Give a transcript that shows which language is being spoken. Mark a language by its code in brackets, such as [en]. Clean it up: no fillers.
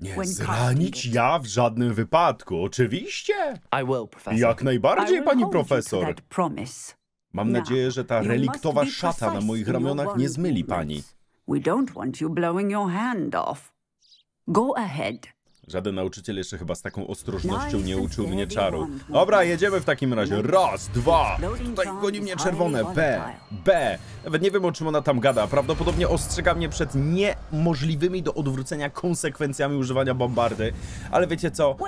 [pl] Nie zranić ja w żadnym wypadku, oczywiście. [en] I will, professor. [pl] Jak najbardziej, pani profesor. Mam nadzieję, że ta reliktowa szata na moich ramionach nie zmyli pani. [en] We don't want you blowing your hand off. Go ahead. [pl] Żaden nauczyciel jeszcze chyba z taką ostrożnością nie uczył mnie czaru. Dobra, jedziemy w takim razie. Raz, dwa. Tutaj goni mnie czerwone. B. B. Nawet nie wiem, o czym ona tam gada. Prawdopodobnie ostrzega mnie przed niemożliwymi do odwrócenia konsekwencjami używania bombardy. Ale wiecie co?